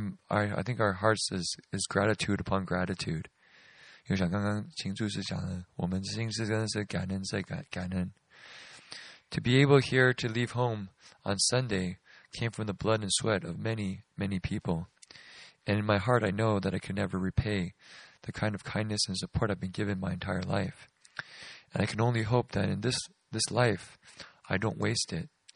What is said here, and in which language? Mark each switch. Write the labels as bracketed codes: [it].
[en] I think our hearts is gratitude upon gratitude. [zh] 就像刚刚秦柱师讲的，我们心是真的是感恩在感恩。 [en] To be able here to leave home on Sunday came from the blood and sweat of many, many people. And in my heart, I know that I can never repay the kind of kindness and support I've been given my entire life. And I can only hope that in this life, I don't waste it.